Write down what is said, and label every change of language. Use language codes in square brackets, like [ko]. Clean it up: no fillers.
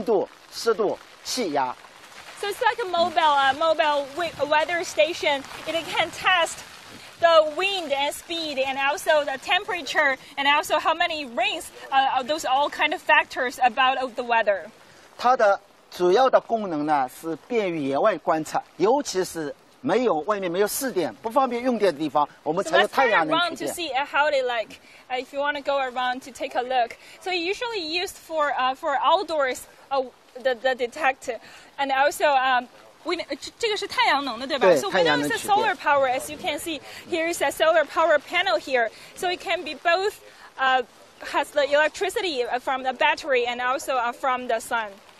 [zh] 这赵局长，您能给我们介绍一下这个仪器吗？这是怎么测风的？好的，这是一套很环保、高科技的移动气象站。它观测的要素有六个要素：风向、风速、雨量、温度、湿度、气压。 [en] So it's like a mobile weather station. It can test the wind and speed and also the temperature and also how many rains, those all kind of factors about of the weather. [zh] 它的主要的功能呢是便于野外观测，尤其是没有外面没有视点，不方便用电的地方， [en] so let's turn around to see how they like, if you want to go around to take a look. So usually used for outdoors, the detector, and also, this is a solar power, as you can see. Here is a solar power panel here. So it can be both, has the electricity from the battery and also from the sun.